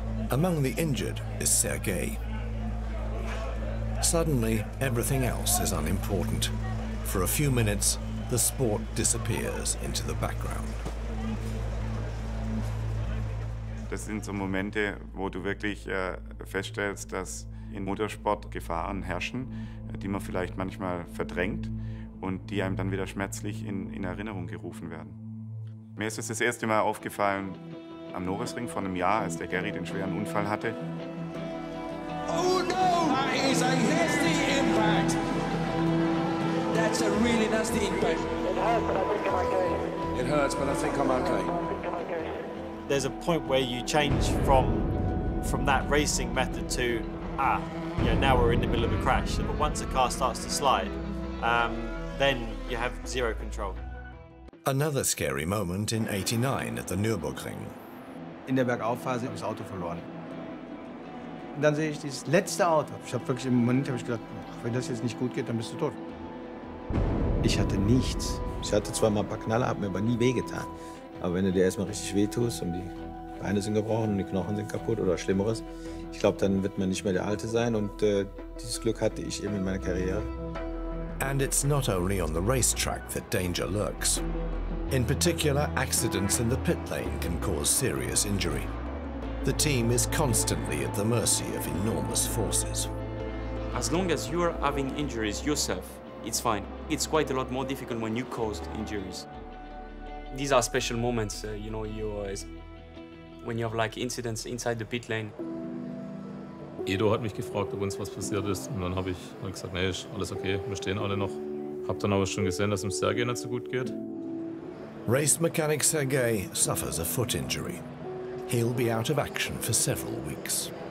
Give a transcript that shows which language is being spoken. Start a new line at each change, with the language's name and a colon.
English: Among the injured is Sergei. Suddenly, everything else is unimportant. For a few minutes, the sport disappears into the background.
German: Das sind so Momente, wo du wirklich feststellst, dass im Motorsport Gefahren herrschen, die man vielleicht manchmal verdrängt und die einem dann wieder schmerzlich in Erinnerung gerufen werden. Mir ist es das erste Mal aufgefallen am Nürburgring vor einem Jahr, als der Gary den schweren Unfall hatte.
English: Oh no! That is a hefty impact! That's a really nasty impact. It hurts, but I think I'm okay. It hurts, but I think I'm okay. There's a point where you change from that racing method to, now we're in the middle of a crash. But once a car starts to slide, then you have zero control. Another scary moment in 89 at the Nürburgring.
German: In der Bergaufphase habe ich das Auto verloren. Und dann sehe ich dieses letzte Auto. Ich habe wirklich im Moment habe ich gedacht, wenn das jetzt nicht gut geht, dann bist du tot. Ich hatte nichts. Ich hatte zwar mal ein paar Knaller, hat mir aber nie wehgetan. Aber wenn du dir erstmal richtig wehtust und die Beine sind gebrochen und die Knochen sind kaputt oder Schlimmeres, ich glaube, dann wird man nicht mehr der Alte sein. Und dieses Glück hatte ich eben in meiner Karriere.
English: And it's not only on the racetrack that danger lurks. In particular, accidents in the pit lane can cause serious injury. The team is constantly at the mercy of enormous forces. As long as you're having injuries yourself, it's fine. It's quite a lot more difficult when you caused injuries. These are special moments, when you have like incidents inside the pit lane.
German: Edo hat mich gefragt, ob uns was passiert ist. Und dann habe ich gesagt, nee, ist alles okay, wir stehen alle noch. Hab dann aber schon gesehen, dass es dem Sergei nicht so gut geht.
English: Race mechanic Sergei suffers a foot injury. He'll be out of action for several weeks.